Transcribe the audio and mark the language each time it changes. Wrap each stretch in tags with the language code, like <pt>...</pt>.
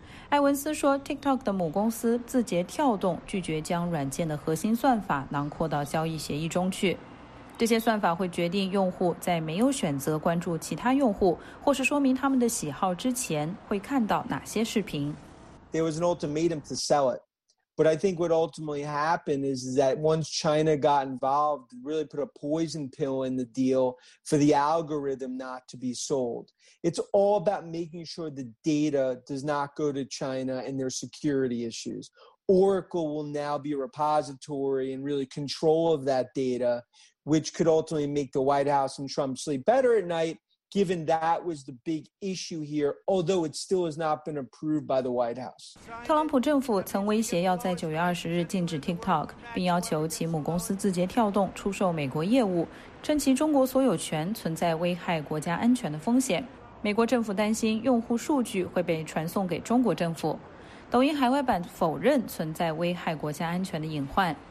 <zh>艾文斯说， TikTok 的母公司字节跳动拒绝将软件的核心算法囊括到交易协议中去，这些算法会决定用户在没有选择关注其他用户或是说明他们的喜好之前会看到哪些视频。</zh> <en>There was an ultimatum to sell it. But I think what ultimately happened is that once China got involved, really put a poison pill in the deal for the algorithm not to be sold. It's all about making sure the data does not go to China and their security issues. Oracle will now be a repository and really control of that data, which could ultimately make the White House and Trump sleep better at night, given that was the big issue here, although it still has not been approved by the White House.</en> <zh>特朗普政府曾威胁要在9月20日禁止 TikTok, 并要求其母公司字节跳动出售美国业务，称其中国所有权存在危害国家安全的风险。美国政府担心用户数据会被传送给中国政府。抖音海外版否认存在危害国家安全的隐患。</zh>